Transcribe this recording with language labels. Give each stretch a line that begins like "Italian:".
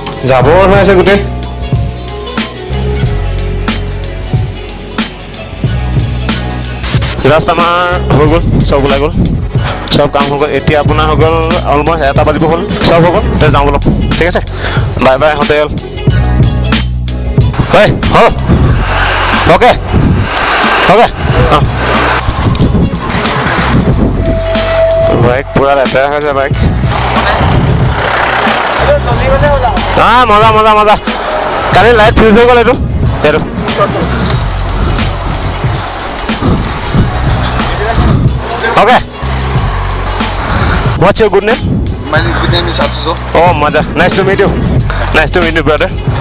Assamese: যাব হৈ আছে গোটেই, জাষ্ট আমাৰ হৈ গ'ল, চব ওলাই গ'ল, চব কাম হৈ গ'ল, এতিয়া আপোনাৰ হৈ গ'ল অলমষ্ট 1টা বাজিব হ'ল, চব হৈ গ'ল, তে যাওঁ বলক। ঠিক আছে, বাই বাই হোটেল। হয় হ'ল, অ'কে অ'কে, অঁ বাইক পূৰা লেতেৰা হৈছে বাইক। অঁ মজা মজা মজা, কালি লাইট ফিউজ হৈ গ'ল এইটো, সেইটো okay.
English: What's your good name? My name is good name is Atuso. Oh, mother. Nice to meet you. Nice to meet you, brother.